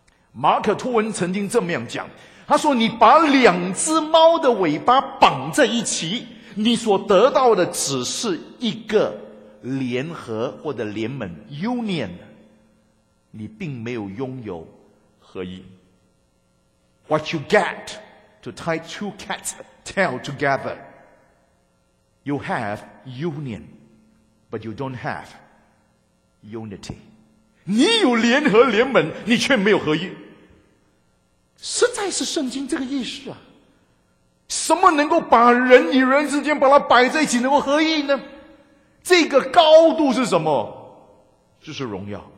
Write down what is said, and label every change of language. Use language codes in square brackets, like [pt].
[zh] 马可·吐温曾经这么样讲，他说，你把两只猫的尾巴绑在一起，你所得到的只是一个联合或者联盟 Union， 你并没有拥有合一。 [en] What you get to tie two cats tail together, you have unionBut you don't have unity. [zh] 你有联合联盟，你却没有合一。实在是圣经这个意思啊！什么能够把人与人之间把它摆在一起，能够合一呢？这个高度是什么？就是荣耀。